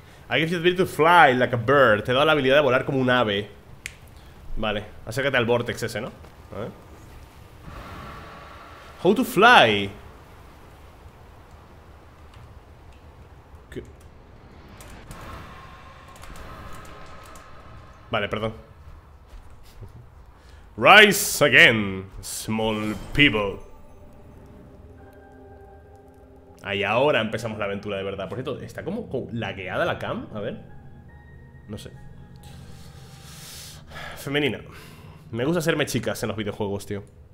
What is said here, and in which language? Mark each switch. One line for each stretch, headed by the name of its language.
English: I give you the ability to fly like a bird.
Spanish: Te he dado la habilidad de volar como un ave. Vale, acércate al vortex ese, ¿no? A ver.
English: How to fly.
Spanish: Vale, perdón.
English: Rise again, small people.
Spanish: Ahí ahora empezamos la aventura de verdad. Por cierto, está como lagueada la cam. A ver. No sé. Femenina. Me gusta hacerme chicas en los videojuegos, tío.